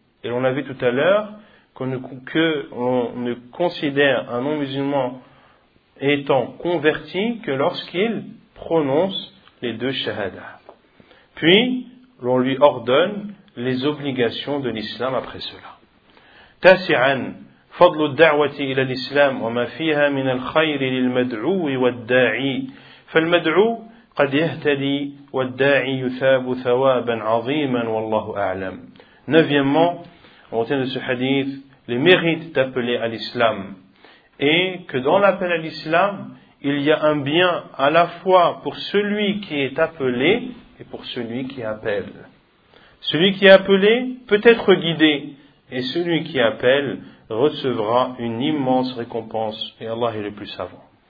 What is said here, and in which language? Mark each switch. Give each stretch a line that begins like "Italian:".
French: Et on a vu tout à l'heure qu'on ne considère un non-musulman étant converti que lorsqu'il prononce les deux shahadas. Puis, on lui ordonne les obligations de l'islam après cela.
Arabic: Tasi'an. فضل الدعوة إلى الإسلام وما فيها من الخير للمدعو والداعي فالمدعو قد يهتدي والداعي يثاب ثوابا عظيما والله أعلم.
French: Neuvièmement, on retient de ce hadith les mérites d'appeler à l'islam et que dans l'appel à l'islam il y a un bien à la fois pour celui qui est appelé et pour celui qui appelle. Celui qui est appelé peut être guidé et celui qui appelle recevra une immense récompense et Allah est le plus savant.